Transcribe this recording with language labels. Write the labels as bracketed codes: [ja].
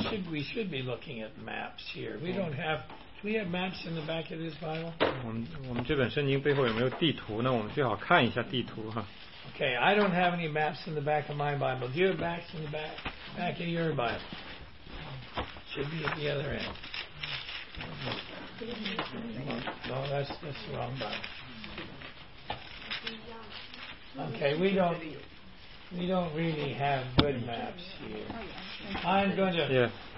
[en] We should be looking at maps here. Do we have maps in the back of this Bible? [zh] 我们这本圣经背后有没有地图呢？我们最好看一下地图哈。 [en] Okay, I don't have any maps in the back of my Bible. Do you have maps in the back of your Bible? Should be at the other end. No, that's the wrong button. Okay, we don't really have good maps here. I'm going to.